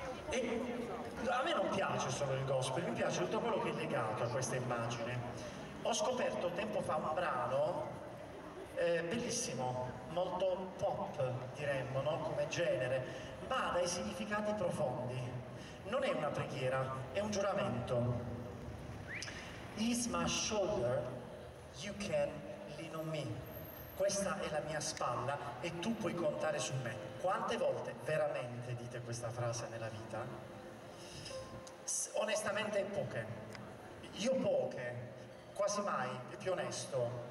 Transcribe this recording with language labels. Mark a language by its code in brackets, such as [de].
[it] E a me non piace solo il gospel, mi piace tutto quello che è legato a questa immagine. Ho scoperto tempo fa un brano bellissimo, molto pop, diremmo, no? Come genere, ma dai significati profondi. Non è una preghiera, è un giuramento. [en] Is my shoulder, you can lean on me. [it] Questa è la mia spalla e tu puoi contare su me. Quante volte veramente dite questa frase nella vita? Onestamente poche. Io poche, quasi mai, è più onesto.